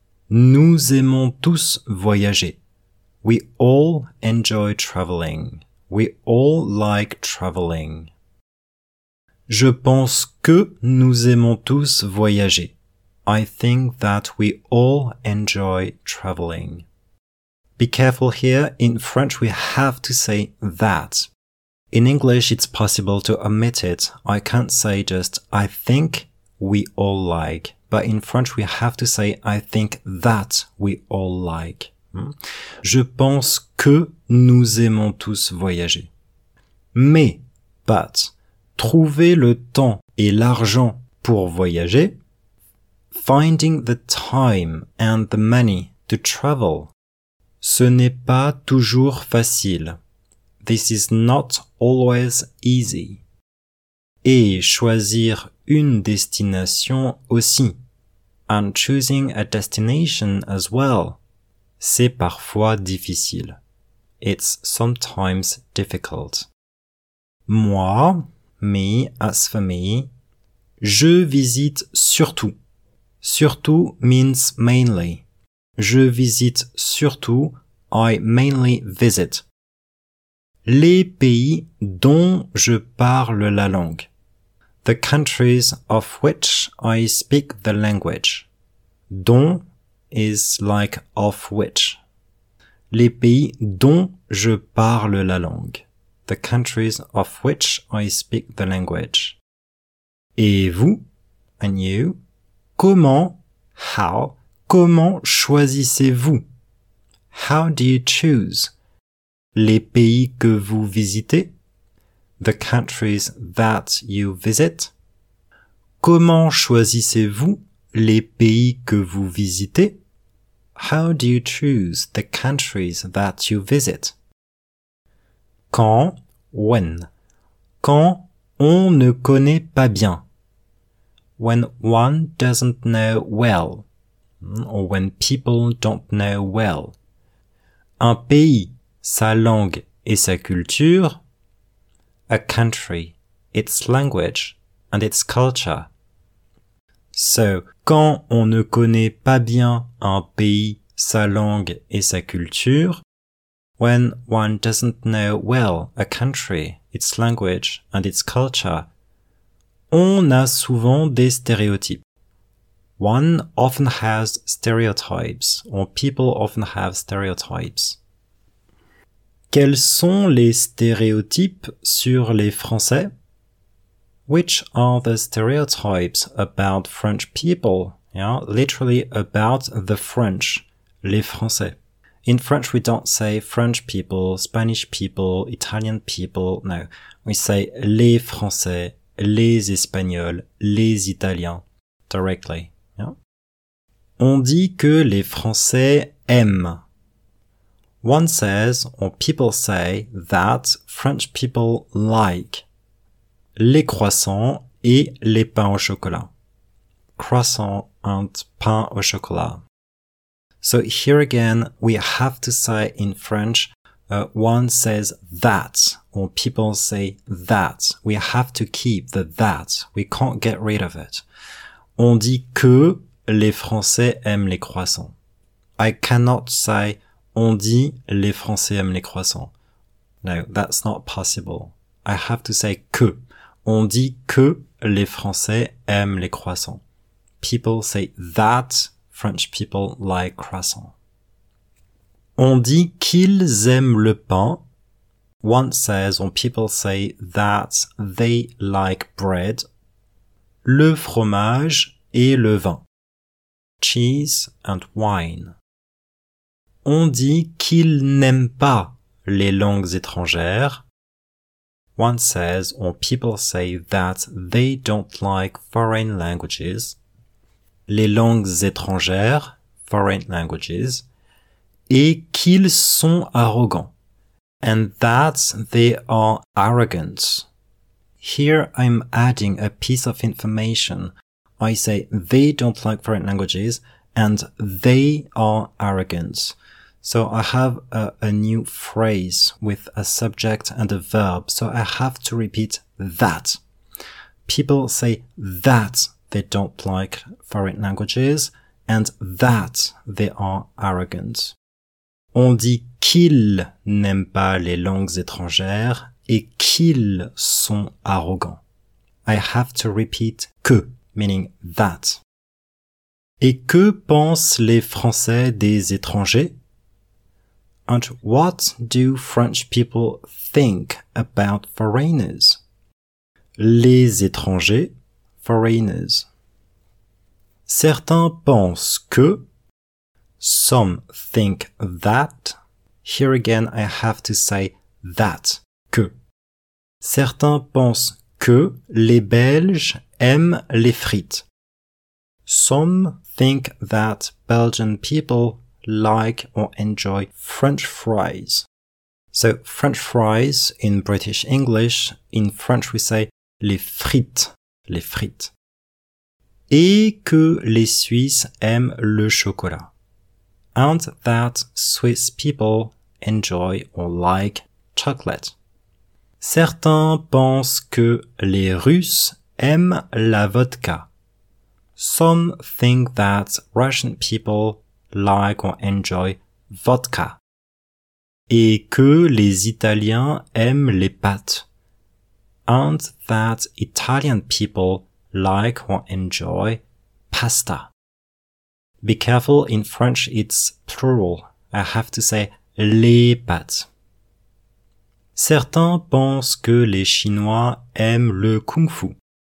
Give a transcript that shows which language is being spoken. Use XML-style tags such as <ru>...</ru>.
<fr>Nous aimons tous voyager.</fr> <en>We all enjoy traveling. We all like traveling.</en> <fr>Je pense que nous aimons tous voyager.</fr> <en>I think that we all enjoy traveling. Be careful here. In French, we have to say that. In English, it's possible to omit it. I can't say just, I think we all like. But in French, we have to say, I think that we all like.</en> <fr>Je pense que nous aimons tous voyager. Mais, but, trouver le temps et l'argent pour voyager.</fr> <en>Finding the time and the money to travel.</en> <fr>Ce n'est pas toujours facile.</fr> <en>This is not always easy.</en> <fr>Et choisir une destination aussi.</fr> <en>And choosing a destination as well.</en> <fr>C'est parfois difficile.</fr> <en>It's sometimes difficult. Moi, me, as for me,</en> <fr>je visite surtout.</fr> <en>Surtout means mainly.</en> <fr>Je visite surtout,</fr> <en>I mainly visit.</en> <fr>Les pays dont je parle la langue.</fr> <en>The countries of which I speak the language. Dont is like of which.</en> <fr>Les pays dont je parle la langue.</fr> <en>The countries of which I speak the language.</en> <fr>Et vous?</fr> <en>And you?</en> <fr>Comment?</fr> <en>How?</en> <fr>Comment choisissez-vous?</fr> <en>How do you choose?</en> <fr>Les pays que vous visitez?</fr> <en>The countries that you visit?</en> <fr>Comment choisissez-vous les pays que vous visitez?</fr> <en>How do you choose the countries that you visit?</en> <fr>Quand, when, quand on ne connaît pas bien.</fr> <en>When one doesn't know well. or when people don't know well.</en> <fr>Un pays, sa langue et sa culture.</fr> <en>A country, its language and its culture.</en> <fr>So, quand on ne connaît pas bien un pays, sa langue et sa culture,</fr> <en>when one doesn't know well a country, its language and its culture,</en> <fr>on a souvent des stéréotypes.</fr> <en>One often has stereotypes, or people often have stereotypes.</en> <fr>Quels sont les stéréotypes sur les Français?</fr> <en>Which are the stereotypes about French people? Yeah, literally about the French, les Français. In French, we don't say French people, Spanish people, Italian people, no. We say les Français, les Espagnols, les Italiens, directly. Yeah.</en> <fr>On dit que les Français aiment.</fr> <en>One says, or people say, that French people like</en> <fr>les croissants et les pains au chocolat. Croissant and pain au chocolat.</fr> <en>So here again, we have to say in French, one says that, or people say that. We have to keep the that. We can't get rid of it.</en> <fr>On dit que les Français aiment les croissants.</fr> <en>I cannot say</en> <fr>on dit les Français aiment les croissants.</fr> <en>No, that's not possible. I have to say que.</en> <fr>On dit que les Français aiment les croissants.</fr> <en>People say that French people like croissants.</en> <fr>On dit qu'ils aiment le pain.</fr> <en>One says, or people say that they like bread.</en> <fr>Le fromage et le vin.</fr> <en>Cheese and wine.</en> <fr>On dit qu'ils n'aiment pas les langues étrangères.</fr> <en>One says, or people say that they don't like foreign languages.</en> <fr>Les langues étrangères, foreign languages. Et qu'ils sont arrogants.</fr> <en>And that they are arrogant. Here I'm adding a piece of information. I say they don't like foreign languages and they are arrogant. So I have a new phrase with a subject and a verb. So I have to repeat that. People say that they don't like foreign languages and that they are arrogant.</en> <fr>On dit qu'ils n'aiment pas les langues étrangères et qu'ils sont arrogants.</fr> <en>I have to repeat que, meaning that.</en> <fr>Et que pensent les Français des étrangers?</fr> <en>And what do French people think about foreigners?</en> <fr>Les étrangers, foreigners. Certains pensent que.</fr> <en>Some think that. Here again, I have to say that, que.</en> <fr>Certains pensent que les Belges aiment les frites.</fr> <en>Some think that Belgian people like or enjoy French fries. So French fries in British English, in French we say les frites, les frites.</en> <fr>Et que les Suisses aiment le chocolat.</fr> <en>And that Swiss people enjoy or like chocolate.</en> <fr>Certains pensent que les Russes aiment la vodka.</fr> <en>Some think that Russian people like or enjoy vodka. Et que les Italiens aiment les pâtes. And that Italian people like or enjoy pasta. Be careful, in French it's plural. I have to say les pâtes.</en> <fr>Certains pensent que les Chinois aiment le kung-fu.</fr>